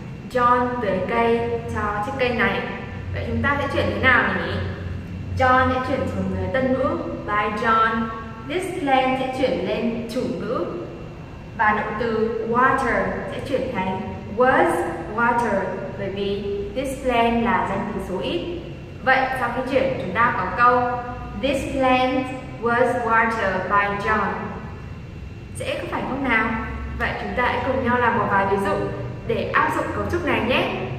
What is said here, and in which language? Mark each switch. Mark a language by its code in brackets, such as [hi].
[vi] John tưới cây cho chiếc cây này. Vậy chúng ta sẽ chuyển thế nào nhỉ? John sẽ chuyển xuống dưới tân ngữ [en] by John. This plant [vi] sẽ chuyển lên chủ ngữ. Và động từ water sẽ chuyển thành [en] was watered, [vi] bởi vì [en] this plant [vi] là danh từ số ít. Vậy sau khi chuyển, chúng ta có câu [en] this plant was watered by John. [vi] Dễ có phải không nào? Vậy chúng ta hãy cùng nhau làm một vài ví dụ để áp dụng cấu trúc này nhé.